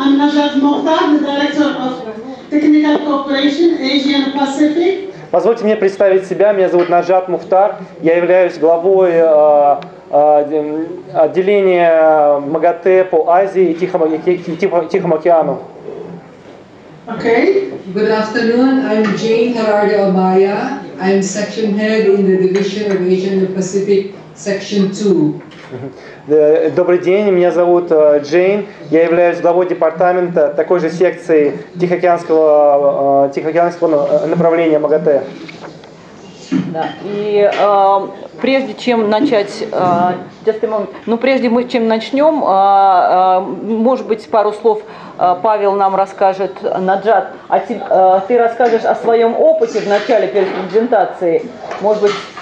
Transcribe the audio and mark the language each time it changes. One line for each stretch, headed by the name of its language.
English: I'm Najat Mohtar, the director of Technical Cooperation Asia and Pacific.
Russian: Позвольте мне представить себя. Меня зовут Наджат Мухтар. Я являюсь главой отделения МАГАТЭ по Азии и Тихому океану.
English: Okay. Good afternoon. I'm Jane Harada Obaya. I'm section head in the division of Asia and Pacific, section 2.
Russian: Добрый день, меня зовут Джейн, я являюсь главой департамента такой же секции Тихоокеанского направления МАГАТЭ. Да. И прежде чем начать, может быть, пару слов Павел нам расскажет, Наджат, а ты расскажешь о своем опыте в начале перед презентацией, может быть,